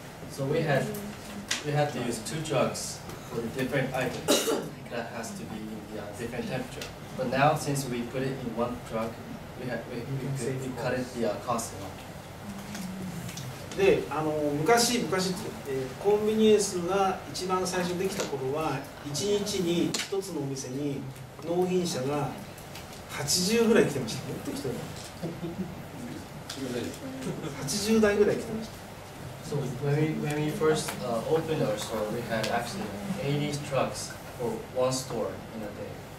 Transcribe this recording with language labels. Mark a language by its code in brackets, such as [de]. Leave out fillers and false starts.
[en] So we had to use two trucks for the different items that has to be in the different temperature. But now since we put it in one truck, we cut it the cost a lot. [ja] で、あの昔、コンビニエンスが一番最初できた頃は1日に1つのお店に納品者が80ぐらい来てました。もっと来てるの80台ぐらい来てました。 [en] So when we first opened our store, we had actually 80 trucks for one store in a day.